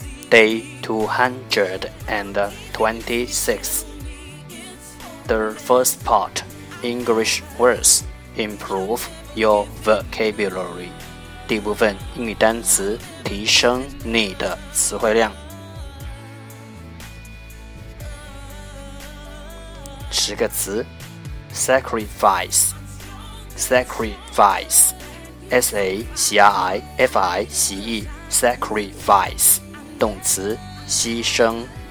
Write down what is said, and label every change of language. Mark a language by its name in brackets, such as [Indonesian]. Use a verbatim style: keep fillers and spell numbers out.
[English] Day two hundred twenty-six. The first part, English words. Improve your vocabulary. [Chinese] 第一部分英语单词，提升你的词汇量。十个词 [English] sacrifice, sacrifice, S-A-C-R-I-F-I-C-E, sacrifice, [Chinese] 动词，牺牲。